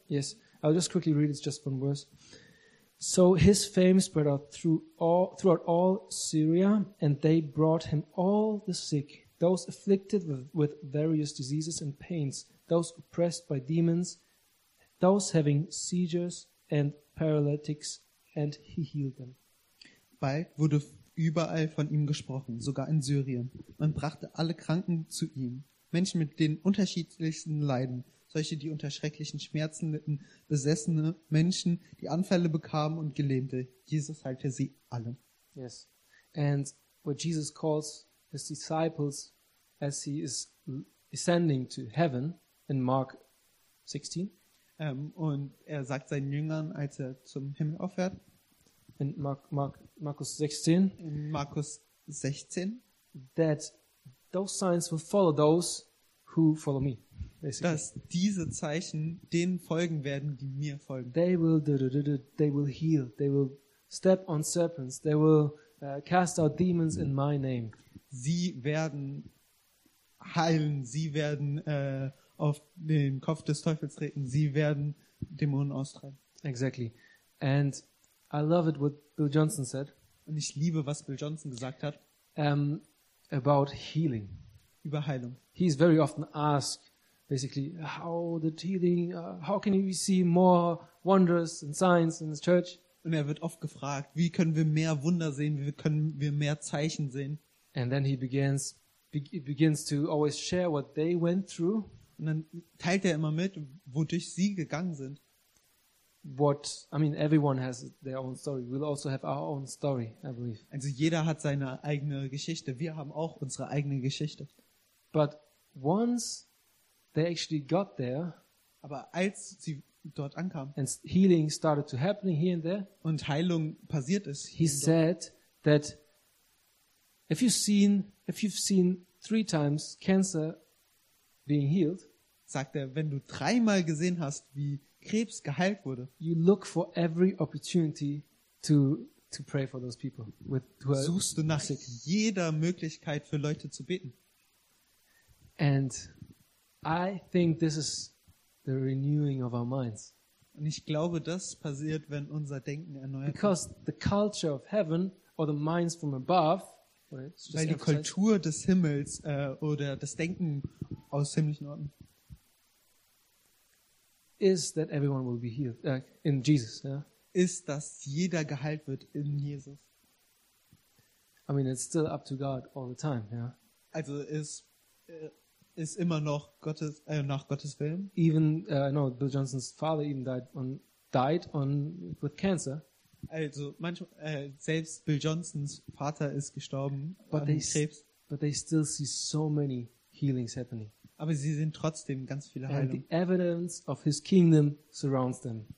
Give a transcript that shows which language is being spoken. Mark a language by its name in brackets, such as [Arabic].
[English] Yes, I'll just quickly read it. It's just one verse. So his fame spread out throughout all Syria, and they brought him all the sick, those afflicted with various diseases and pains, those oppressed by demons, those having seizures and paralytics, and he healed them. [German] Bald wurde überall von ihm gesprochen, sogar in Syrien. Man brachte alle Kranken zu ihm, Menschen mit den unterschiedlichsten Leiden, solche, die unter schrecklichen Schmerzen litten, besessene Menschen, die Anfälle bekamen und Gelähmte. Jesus heilte sie alle. [English] Yes, and what Jesus calls his disciples as he is ascending to heaven in Mark 16. [German] Und er sagt seinen Jüngern, als er zum Himmel auffährt. In Markus 16. In Markus 16. [English] That those signs will follow those who follow me. Basically. [German] Dass diese Zeichen denen folgen werden, die mir folgen. [English] They will heal. They will step on serpents. They will cast out demons in my name. [German] Sie werden heilen, sie werden auf den Kopf des Teufels treten, sie werden Dämonen austreiben. [English] Exactly. And I love it, what Bill Johnson said. [German] Und ich liebe, was Bill Johnson gesagt hat. [English] About healing. [German] Über Heilung. [English] He is very often asked, basically, how can we see more wonders and signs in this church? [German] Und er wird oft gefragt, wie können wir mehr Wunder sehen, wie können wir mehr Zeichen sehen? [English] And then he begins to always share what they went through. [German] Und dann teilt er immer mit, wodurch sie gegangen sind. [English] Everyone has their own story. We'll also have our own story, I believe. [German] Also jeder hat seine eigene Geschichte. Wir haben auch unsere eigene Geschichte. [English] But once they actually got there, [German] aber als sie dort ankam, [English] and healing started to happen here and there, [German] und Heilung passiert ist, [English] he said that. If you've seen three times cancer being healed, [German] sagt er, wenn du dreimal gesehen hast, wie Krebs geheilt wurde, [English] you look for every opportunity to pray for those people with who are [German] suchst du nach [English] sick. [German] Jeder Möglichkeit für Leute zu beten. [English] And I think this is the renewing of our minds. [German] Und ich glaube, das passiert, wenn unser Denken erneuert wird. [English] Because the culture of heaven or the minds from above, [German] weil die Kultur des Himmels oder das Denken aus himmlischen Orten ist, [English] that everyone will be healed in Jesus, yeah? [German] Ist, dass jeder geheilt wird in Jesus. [English] I mean, it's still up to God all the time, yeah? [German] Also ist immer noch Gottes nach Gottes Willen. [English] Even Bill Johnsons father even died with cancer. [German] Also manchmal selbst Bill Johnsons Vater ist gestorben an Krebs. [English] But they still see so many healings happening. Aber sie sehen trotzdem ganz viele Heilungen. The evidence of his kingdom surrounds them.